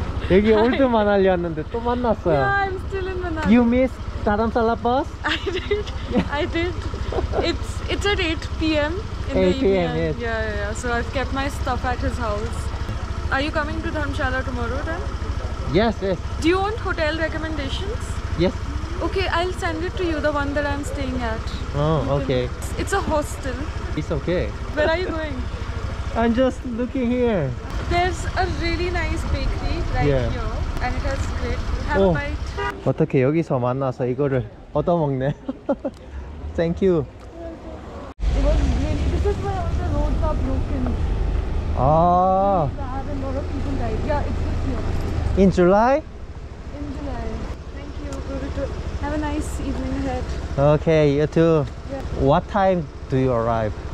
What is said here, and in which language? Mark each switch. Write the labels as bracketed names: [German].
[Korean] 여기 올드 마날리 왔는데 또 만났어요. [English] Yeah, I'm still in Manali. You missed Dharamsala bus? I did. It's at 8 p.m. in 8 the evening. Yes. Yeah. So I've kept my stuff at his house. Are you coming to Dharamsala tomorrow then? Yes. Do you want hotel recommendations? Yes. Okay, I'll send it to you, the one that I'm staying at. Okay. It's a hostel. It's okay. Where are you going? I'm just looking here. There's a really nice bakery right here, and it has great. Have a bite. [Korean] 어떻게 여기서 만나서 이거를 얻어먹네. [English] Thank you. It was really. This is why all the roads are broken. Ah. There are a lot of people died. Yeah, it's just here. In July? In July. Thank you. Have a nice evening ahead. Okay, you too. Yeah. What time do you arrive?